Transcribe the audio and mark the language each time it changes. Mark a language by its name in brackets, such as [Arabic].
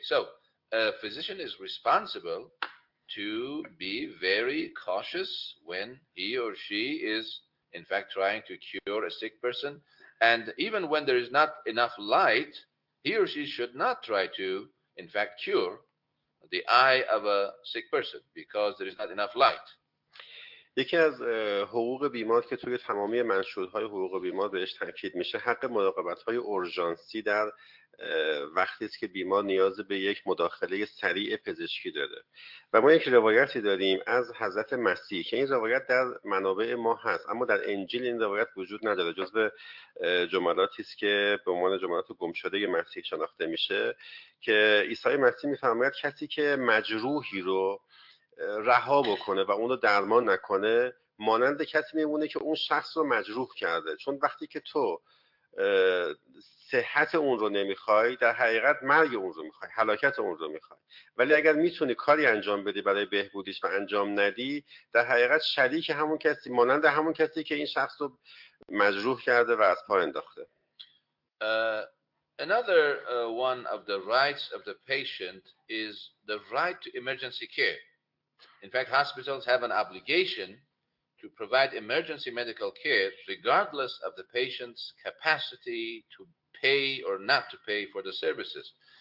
[English] So a physician is responsible to be very cautious when he or she is in fact trying to cure a sick person. And even when there is not enough light, he or she should not try to in fact cure the eye of a sick person because there is not enough light. [Persian] یکی از حقوق بیمار که توی تمامی منشورهای حقوق بیمار بهش تاکید میشه، حق مراقبت‌های اورژانسی در وقتی است که بیمار نیاز به یک مداخله سریع پزشکی داره. و ما یک روایتی داریم از حضرت مسیح که این روایت در منابع ما هست، اما در انجیل این روایت وجود نداره، جز به جملاتی است که به عنوان جملات گمشده مسیح شناخته میشه، که عیسی مسیح میفرماید کسی که مجروحی رو رها بکنه و اون رو درمان نکنه، مانند کسی میمونه که اون شخص رو مجروح کرده. چون وقتی که تو صحت اون رو نمیخوای، در حقیقت مرگ اون رو میخوای، هلاکت اون رو میخوای، ولی اگر میتونی کاری انجام بدی برای بهبودیش و انجام ندی، در حقیقت شریک همون کسی، مانند همون کسی که این شخص رو مجروح کرده و از پا انداخته. [English] Another one of the rights of the patient is the right to emergency care. In fact, hospitals have an obligation to provide emergency medical care regardless of the patient's capacity to pay or not to pay for the services.